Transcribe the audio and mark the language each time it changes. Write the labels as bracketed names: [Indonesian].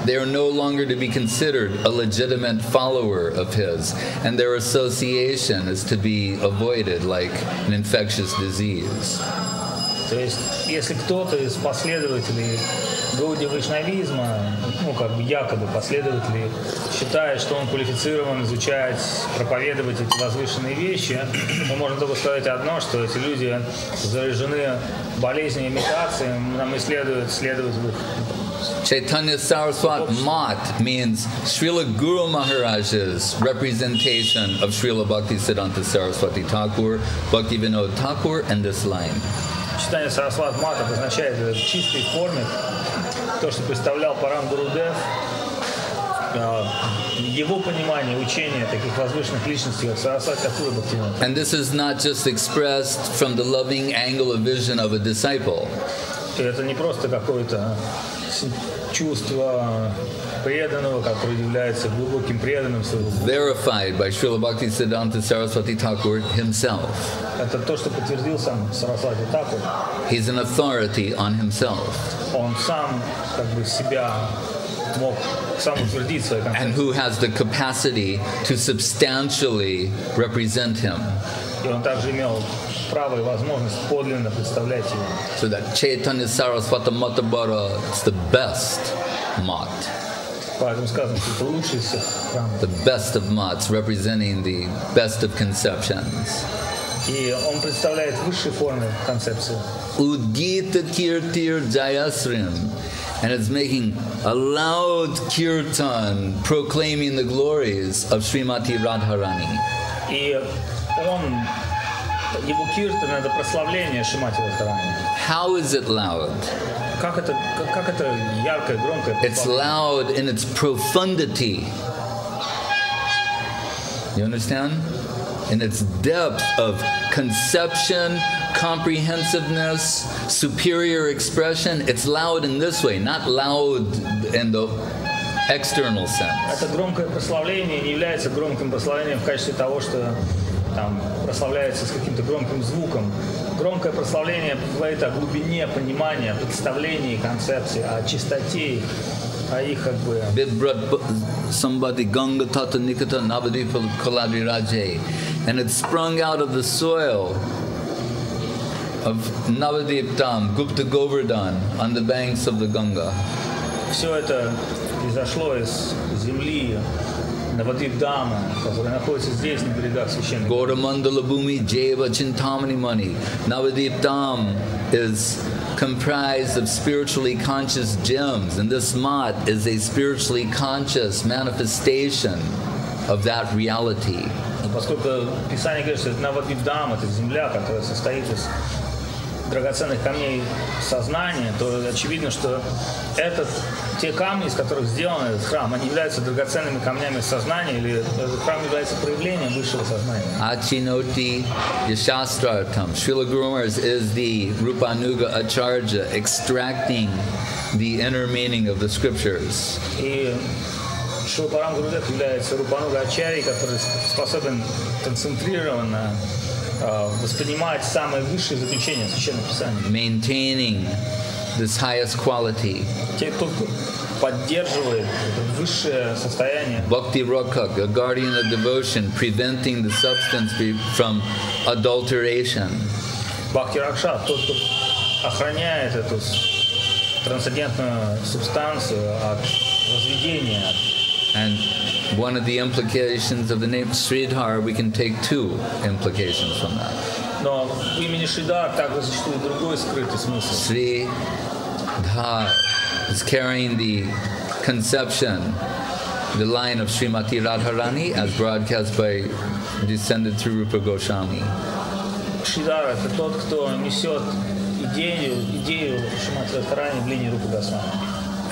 [English] They are no longer to be considered a legitimate follower of his, and their association is to be avoided like an infectious disease. [Russian] То есть, если кто-то из последователей Гауди Вайшнавизма, якобы последователей, считает, что он квалифицирован изучать, проповедовать эти возвышенные вещи, то можно только сказать одно, что эти люди заражены болезнью имитации, нам и следует следовать в их. [English] Chaitanya Sarasvat Mat means Srila Guru Maharaj's representation of Srila Bhakti Siddhanta Sarasvati Thakur, Bhakti Vinod Thakur, and this line. [Russian] Читание Сарасват Матха обозначает в чистой форме то, что представлял Паран Гурудев, его понимание, учение таких возвышенных личностей, как Сарасват Тхакура и Бхактивинода. [English] And this is not just expressed from the loving angle of vision of a disciple. [Russian] Это не просто какое-то чувство преданного, который является глубоким преданным своего Бога. [English] Verified by Srila Bhakti Siddhanta Sarasvati Thakur himself. [Russian] Это то, что подтвердил сам Сарасвати Тхакур. [English] He's an authority on himself. [Russian] Он сам как бы себя мог сам утвердить свою концепцию. [English] And who has the capacity to substantially represent him. [Russian] И он также имел право и возможность подлинно представлять его. [English] So that Chaitanya Sarasvata Matabara is the best mat. The best of mats representing the best of conceptions. [Russian] И он представляет высшие формы концепции. [Sanskrit] Удгита киртир джаясрим. [English] And it's making a loud kirtan proclaiming the glories of Srimati Radharani. [Russian] И он, его киртан это прославление Шримати Радхарани. [English] How is it loud? [Russian] Как это яркое, громкое? [English] It's loud in its profundity. You understand? In its depth of conception, comprehensiveness, superior expression, it's loud in this way, not loud in the external sense. [Russian] Это громкое прославление не является громким прославлением в качестве того, что там прославляется с каким-то громким звуком. Громкое прославление говорит о глубине понимания, представлении, концепции, о чистоте, о их как бы. [Sanskrit] Bidbrat somebody ganga tata nikata navadipa kaladri rajay. [English] and it sprung out of the soil of Navadvip Dham, Gupta Govardhan, on the banks of the Ganga. [Russian] Все это произошло из земли Навадвип Дхама, которая находится здесь, на берегах священных. [Sanskrit] Гора Мандала Буми Джейва Чинтамани Мани. [English] Навадвип Дхам is comprised of spiritually conscious gems, and this mat is a spiritually conscious manifestation of that reality. [Russian] Поскольку Писание говорит, что Навадвип Дхам — это земля, которая состоит из драгоценных камней сознания, то очевидно, что этот, те камни, из которых сделан этот храм, они являются драгоценными камнями сознания, или этот храм является проявлением высшего сознания. [Sanskrit] Ачиноти Яшастратам. [English] Шрила Гурумарс is the Рупануга-ачарьей, extracting the inner meaning of the scriptures. [Russian] И Шрила Парам Гурудев является Рупануга-ачарьей, который способен концентрированно воспринимать самые высшие заключения Священного Писания. [English] Maintaining this highest quality. [Russian] Те, кто поддерживает это высшее состояние. [English] Bhakti Rakshak, a guardian of devotion, preventing the substance from adulteration. [Russian] Bhakti Rakshak, тот, кто охраняет эту трансцендентную субстанцию от разведения. [English] And one of the implications of the name Shridhar, we can take two implications from that. [Russian] Но в имени Шридхар также существует другой скрытый смысл. [English] Shridhar is carrying the conception, the line of Srimati Radharani, as broadcast by descended through Rupa Goswami. [Russian] Shridhar — это тот, кто несет идею Шримати Радхарани в линии Рупа Госвами.